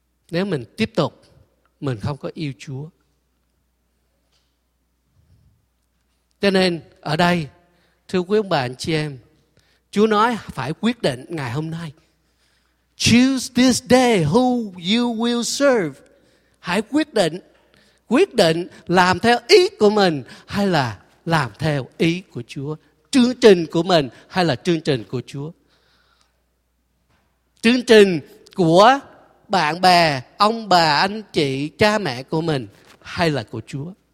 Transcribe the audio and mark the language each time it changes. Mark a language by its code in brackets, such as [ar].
[vi] Nếu mình tiếp tục, mình không có yêu Chúa. Cho nên ở đây, thưa quý ông bà anh chị em, Chúa nói phải quyết định ngày hôm nay. [en] Choose this day who you will serve. [vi] Hãy quyết định. Quyết định làm theo ý của mình hay là làm theo ý của Chúa. Chương trình của mình hay là chương trình của Chúa. Chương trình của bạn bè, ông bà, anh chị, cha mẹ của mình hay là của Chúa.